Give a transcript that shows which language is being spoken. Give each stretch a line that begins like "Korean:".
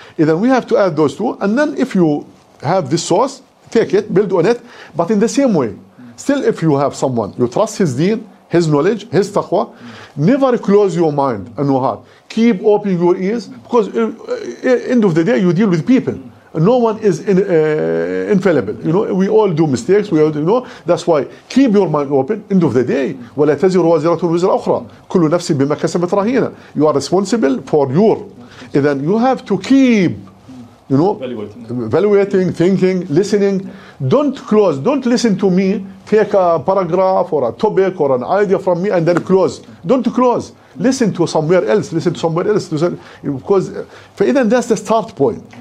English: And then we have to add those two. And then if you have this source, take it, build on it, but in the same way, still if you have someone, you trust his deen, his knowledge, his taqwa, never close your mind and your heart. Keep open your ears, because end of the day, you deal with people. No one is infallible. You know, we all do mistakes. We all, you know, that's why keep your mind open. End of the day,
Arabic: وَلَا تَزِرُ وَازِرَةٌ وِزْرَ أُخْرَى كُلُّ نَفْسٍ بِمَا كَسَبَتْ رَهِينَ.
English: You are responsible for your. And then you have to keep, you know, evaluating, thinking, listening. Don't close. Don't listen to me. Take a paragraph or a topic or an idea from me and then close. Don't close. Listen to somewhere else. Listen to somewhere else. Listen, because then that's the start point.